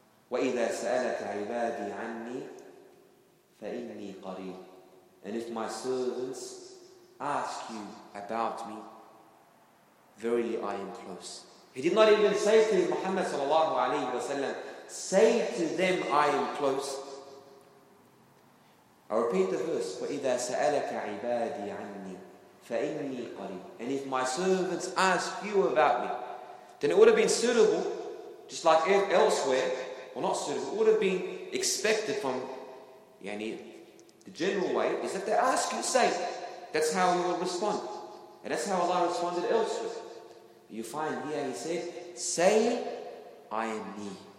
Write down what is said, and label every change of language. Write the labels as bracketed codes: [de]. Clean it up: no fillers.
[ar] وَإِذَا سَأَلَكَ عِبَادِي عَنِّي فَإِنِّي قَرِيبٌ. [en] And if my servants ask you about me, verily I am close. He did not even say to Muhammad sallallahu alayhi wa sallam, say to them I am close. I repeat the verse, [ar] وَإِذَا سَأَلَكَ عِبَادِي عَنِّي فَإِنِّي قَرِيبٌ. [en] And if my servants ask you about me, then it would have been suitable, just like elsewhere, well, not suitable, it would have been expected from the general way is that they ask you, say, that's how we would respond. And that's how Allah responded elsewhere. You find here he said, say, I am me.